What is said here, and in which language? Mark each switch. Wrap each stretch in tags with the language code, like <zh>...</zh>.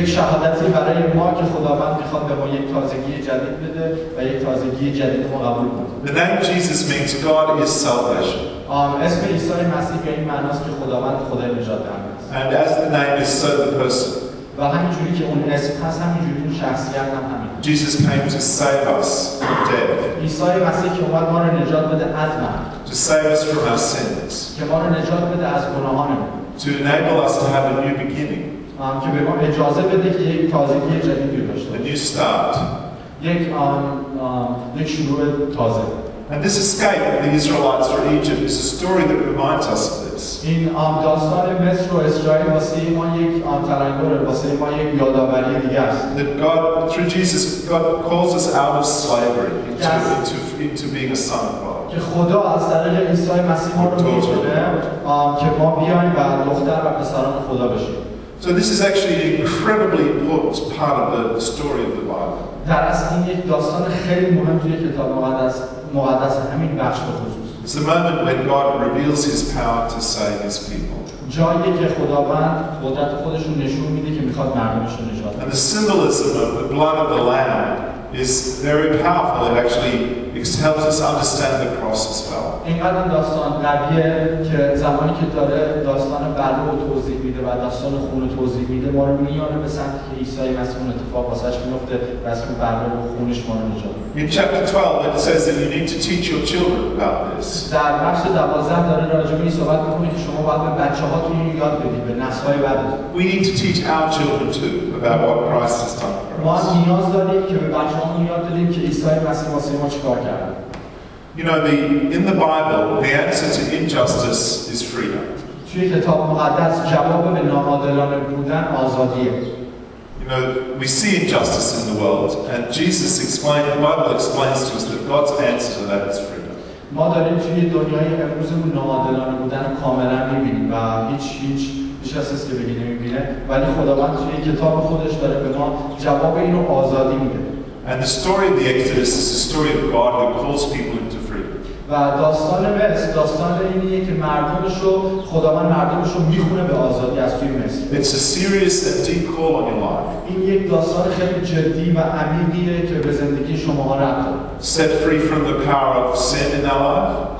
<fa>یک شهادتی برای ما که خداوند میخواد به ما یک تازگی جدید بده و یک تازگی جدید ما قبول کنه.</fa> <en>The name Jesus means God is salvation.</en> <fa>اسم عیسی مسیح به این معناست که خداوند خدای نجات دهنده است.</fa> <en>And as the name is, so the person.</en> <fa>و همینجوری که اون اسم هست، همینجوری اون شخصیت هم همین.</fa> <en>Jesus came to save us from death.</en> <fa>عیسی مسیح که اومد ما رو نجات بده از مرگ.</fa> <en>To save us from our sins.</en> <fa>که ما رو نجات بده از گناهانمون.</fa> <en>To enable us to have a new beginning.</en> <fa>که به ما اجازه بده که یک تازگی جدیدی داشته باشیم.</fa> <en>A new start.</en> <fa>یک شروع تازه.</fa> <en>And this escape of the Israelites from Egypt is a story that reminds us of this.</en> <fa>In داستان مصر و اسرائیل واسه ما یک تلنگر، واسه ما یک یادآوری دیگه است.</fa> <en>That God, through Jesus, God calls us out of slavery into being a son of God.</en> <fa>که خدا از طریق عیسی مسیح ما رو میگیره که ما بیایم و دختر و پسران خدا بشیم.</fa> <en>So this is actually an incredibly important part of the story of the Bible.</en> <fa>در اصل این یک داستان خیلی مهم توی کتاب مقدس مقدس همین بخش به خصوص.</fa> <en>It's the moment when God reveals His power to save His people.</en> <fa>جایی که خداوند قدرت خودش رو نشون میده که میخواد مردمش رو نجات بده.</fa> <en>And the symbolism of the blood of the Lamb is very powerful. It actually helps us understand the cross as well.</en> <fa>اینقدر این داستان قویه که زمانی که داره داستان بره رو توضیح میده و داستان خون رو توضیح میده، ما رو میانه به سمتی که عیسی مسیح اون اتفاق واسش میفته و از اون بره و خونش ما رو نجات میده.</fa> <en>In chapter 12 it says that you need to teach your children about this.</en> <fa>در بخش 12 داره راجع به این صحبت میکنه که شما باید به بچه هاتون اینو یاد بدید، به نسل‌های بعدتون.</fa> <en>We need to teach our children too about what Christ has done.</en> <fa>ما نیاز داریم که به بچه هامون یاد بدیم که عیسی مسیح واسه ما چیکار کرد.</fa> <en>You know, in the Bible, the answer to injustice is freedom.</en> <fa>توی کتاب مقدس جواب به ناعادلانه بودن آزادیه.</fa> <en>You know, we see injustice in the world, and Jesus explains, the Bible explains to us that God's answer to that is freedom.</en> <fa>ما داریم توی دنیای امروزمون ناعادلانه بودن کاملا میبینیم و هیچ چیزی که بگی نمیبینه، ولی خداوند توی کتاب خودش داره به ما جواب اینو آزادی میده.</fa> <en>And the story of the Exodus is the story of God who calls people into freedom.</en> <fa>و داستان مصر داستان اینیه که مردمشو خداوند مردمشو میخونه به آزادی از توی مصر.</fa> <en>It's a serious and deep call on your life.</en> <fa>این یک داستان خیلی جدی و عمیقیه که به زندگی شما ربط داره.</fa> <en>Set free from the power of sin in our life.</en>